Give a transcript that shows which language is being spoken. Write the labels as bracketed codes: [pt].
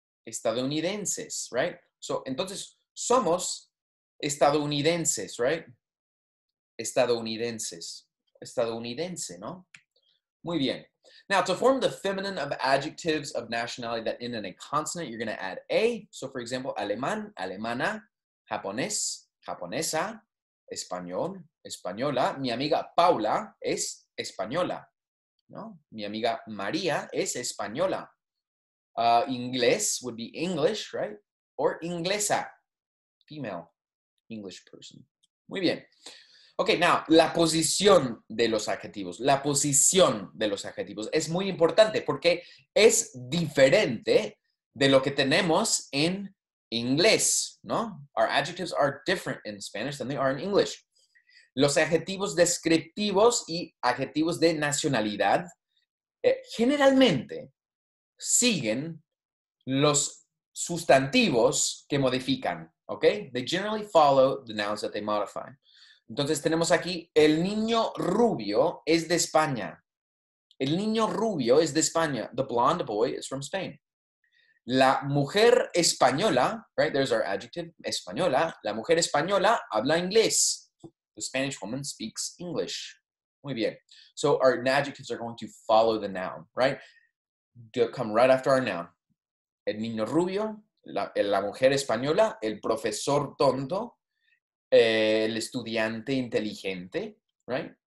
[es] estadounidenses, right? So, entonces, somos estadounidenses, right? Estadounidenses. Estadounidense, ¿no? Muy bien. [en] Now, to form the feminine of adjectives of nationality that end in a consonant, you're going to add A. [es] So, for example, alemán, alemana, japonés, japonesa, español, española. Mi amiga Paula es española, ¿no? Mi amiga María es española. Inglés [en] would be English, right? Or inglesa, female, English person. [es] Muy bien. [en] Okay, now, [es] la posición de los adjetivos. La posición de los adjetivos es muy importante porque es diferente de lo que tenemos en inglés, ¿no? [en] Our adjectives are different in Spanish than they are in English. [es] Los adjetivos descriptivos y adjetivos de nacionalidad generalmente siguen los sustantivos que modifican, okay? [en] They generally follow the nouns that they modify. [es] Entonces tenemos aquí, el niño rubio es de España. El niño rubio es de España. [en] The blonde boy is from Spain. [es] La mujer española, right? [en] There's our adjective, [es] española. La mujer española habla inglés. [en] The Spanish woman speaks English. [es] Muy bien. [en] So our adjectives are going to follow the noun, right? They'll come right after our noun. [es] El niño rubio, la mujer española, el profesor tonto, el estudiante inteligente, right?